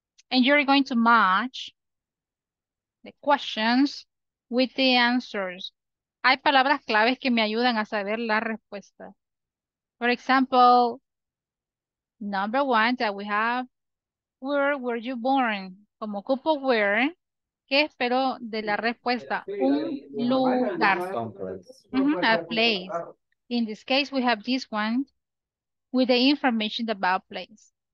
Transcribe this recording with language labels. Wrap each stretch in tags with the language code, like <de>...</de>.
<en>And you're going to match the questions with the answers.</en> <es>Hay palabras claves que me ayudan a saber la respuesta.</es> <en>For example, number one that we have, where were you born?</en> <es>Como ocupo where, ¿qué espero de la respuesta? Un lugar.</es> <en>A place. In this case, we have this one with the information about place.</en>